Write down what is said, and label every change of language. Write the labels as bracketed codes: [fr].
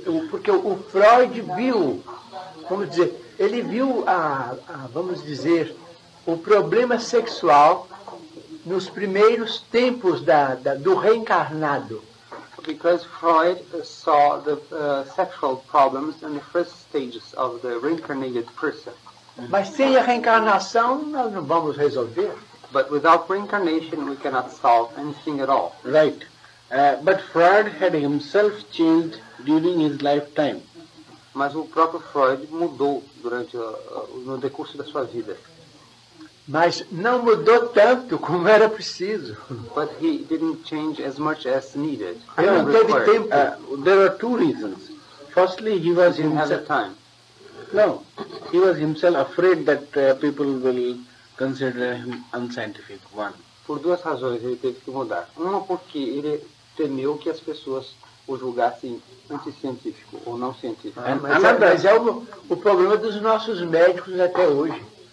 [pt] Porque o Freud viu, vamos dizer, ele viu vamos dizer, o problema sexual nos primeiros tempos do reencarnado. [en] Because Freud saw the sexual problems in the first stages of the reincarnated person. [pt] Mas sem a reencarnação nós não vamos resolver. [en] But without reincarnation we cannot solve anything at all. Right. But Freud had himself changed during his lifetime. [pt] Mas o próprio Freud mudou durante no decurso da sua vida. Mas não mudou tanto como era preciso. [en] But he didn't change as much as needed. [pt] Ele não teve tempo. [en] There are two reasons. Firstly, he was himself. Have the time. No, he was himself afraid that people will consider him unscientific. One. [pt] Por duas razões ele teve que mudar. Uma porque ele temeu que as pessoas o julgassem anticientífico ou não científico. Mas é o problema dos nossos médicos até hoje.